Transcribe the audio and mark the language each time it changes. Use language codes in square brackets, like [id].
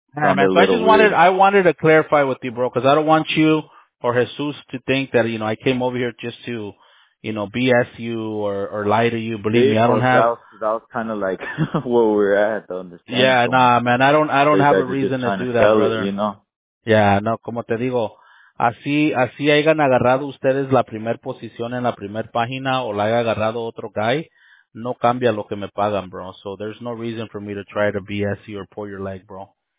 [en] I wanted to clarify with you, bro, because I don't want you or Jesus to think that, you know, I came over here just to, you know, BS you or lie to you. Believe me, I don't have. That was kind of like where we're at, to understand. Yeah, so, nah, man, I don't have a reason to do that, brother. You know? [es] Yeah, no, como te digo, así hayan agarrado ustedes la primer posición en la primer página o la haya agarrado otro guy, no cambia lo que me pagan, bro. [en] So there's no reason for me to try to BS you or pull your leg, bro.